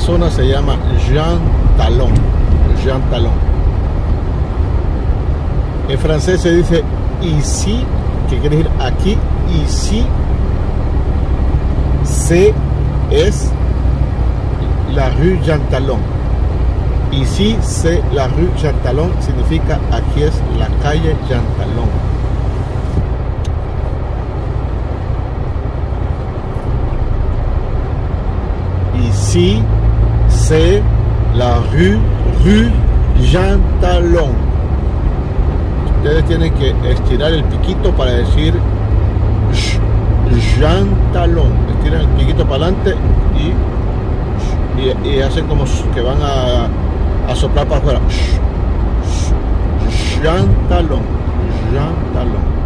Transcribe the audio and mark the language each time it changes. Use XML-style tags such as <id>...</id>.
<es>Se llama Jean Talon. En francés se dice ici, que quiere decir aquí.</es> <fr>Ici, c'est, es la rue Jean Talon. Ici, c'est la rue Jean Talon,</fr> <es>significa aquí es la calle Jean Talon.</es> <fr>Ici, c'est la rue Jean Talon.</fr> <es>Ustedes tienen que estirar el piquito para decir Jean Talon. Estiran el piquito para adelante y hacen como que van a soplar para afuera.</es> <fr>Jean Talon. Jean Talon.</fr>